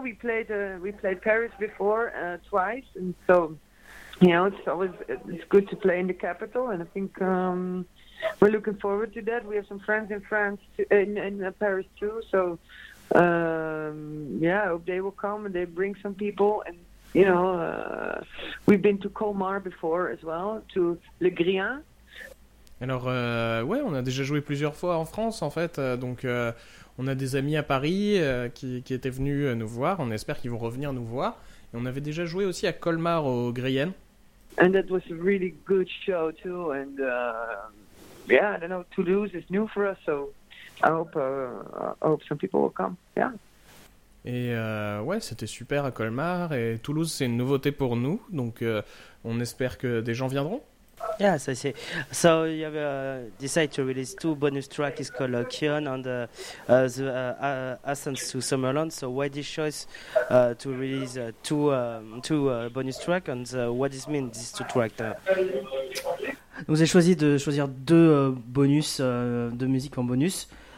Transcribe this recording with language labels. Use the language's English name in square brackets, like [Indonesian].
[English] We played Paris before, twice, and so you know, it's always good to play in the capital, and I think we're looking forward to that. We have some friends in France, in Paris too. So yeah, I hope they will come and they bring some people and. You know, we've been to Colmar before as well, to Le Grien. [French] Alors, ouais, on a déjà joué plusieurs fois en France, en fait. Donc, on a des amis à Paris qui étaient venus nous voir. On espère qu'ils vont revenir nous voir. Et on avait déjà joué aussi à Colmar, au Grien. [English] And that was a really good show, too. And, yeah, I don't know, Toulouse is new for us, so I hope some people will come, yeah. [French] Et ouais, c'était super à Colmar et Toulouse, c'est une nouveauté pour nous, donc on espère que des gens viendront. [English] Yes, I see. So you have decided to release 2 bonus tracks. It's called Kion and Ascent to Summerland. So why this choice to release two bonus tracks and what does mean these 2 tracks? [French] Vous avez choisi de choisir 2 bonus de musique en bonus.